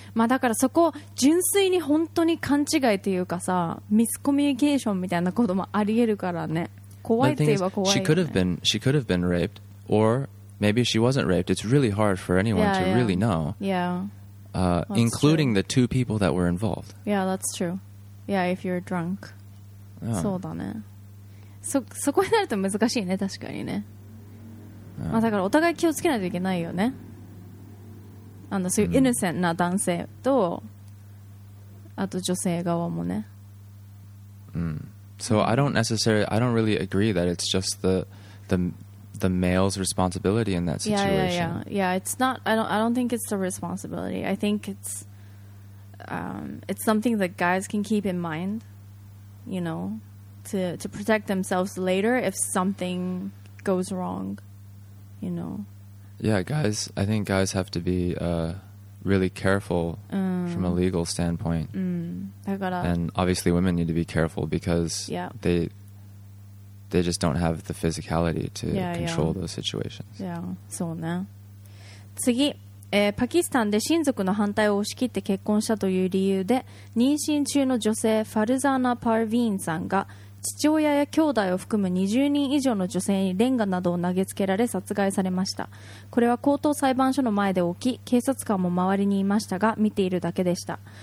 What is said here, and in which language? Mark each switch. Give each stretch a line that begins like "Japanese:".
Japanese: まあだからそこ純粋に本当に勘違いというかさ、ミスコミュニケーションみたいなこともありえるからね。怖いって言えば怖いよね。
English: The thing is, she could have been raped, or maybe she wasn't raped. It's really hard for anyone to really know. Yeah. Including the two people that were involved. Yeah, that's true. Yeah, if you're drunk. Yeah.
Japanese: そうだね。そこになると難しいね、確かにね。まあ、だからお互い気をつけないといけないよね。あのそういうイノセントな男性と、あと女性側もね。
English: So I don't really agree that it's just the male's responsibility in that situation. Yeah. It's not. I don't think it's the responsibility. I think it's something that guys can keep in mind, you know, to protect themselves later if something goes wrong, you know. Yeah, guys. I think guys have to be really careful from a legal standpoint. And obviously, women need to be careful because they just don't have the physicality to control those situations.
Japanese: Yeah, そうね。次、パキスタンで親族の反対を押し切って結婚したという理由で妊娠中の女性ファルザーナ・パルヴィーンさんが父親や兄弟を含む20人以上の女性にレンガなどを投げつけられ殺害されました。これは高等裁判所の前で起き、警察官も周りにいましたが見ているだけでした。